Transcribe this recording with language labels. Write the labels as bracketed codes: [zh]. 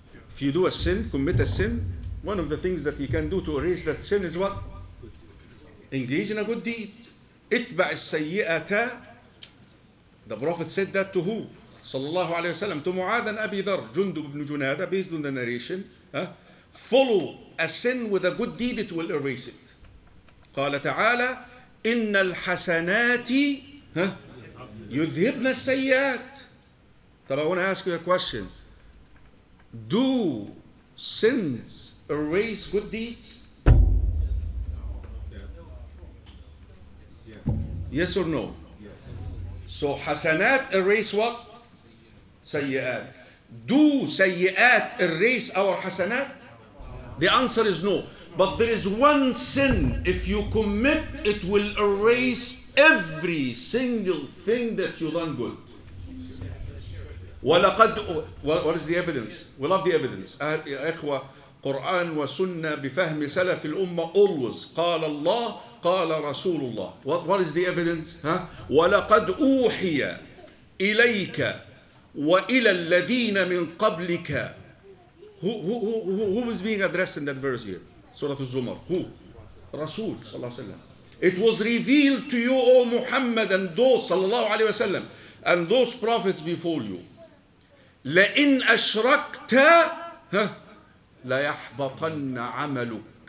[en] If you do a sin, commit a sin, one of the things that you can do to erase that sin is what? engage in a good deed. [ar] اتبع السيئات. [en] The Prophet said that to who? [ar] صلى الله عليه وسلم. [en] To Mu'adh and Abi Dhar, Jundub ibn Junada, based on the narration. Follow a sin with a good deed, it will erase it. [ar] قال تعالى إن الحسنات يذهبن السيئات. [en] طب I want to ask you a question. Do sins erase good deeds? Yes or no? So حسنات erase what? سيئات. Do سيئات erase our حسنات? The answer is no. But there is one sin, if you commit, it will erase every single thing that you done good. ولقد, what is the evidence? We love the evidence. [ar] يا إخوة, قرآن وسنة بفهم سلف الأمة always. قال الله, قال رسول الله. [en] What is the evidence? Huh? [ar] ولقد أوحي إليك وإلى الذين من قبلك. [en] Who is being addressed in that verse here? Surah Az-Zumar. Who? Rasul, sallallahu alayhi wa sallam. It was revealed to you, O Muhammad, and those, sallallahu alayhi wa sallam, and those prophets before you. [ar] لَإِنْ أَشْرَكْتَ لَيَحْبَطَنَّ عَمَلُكَ.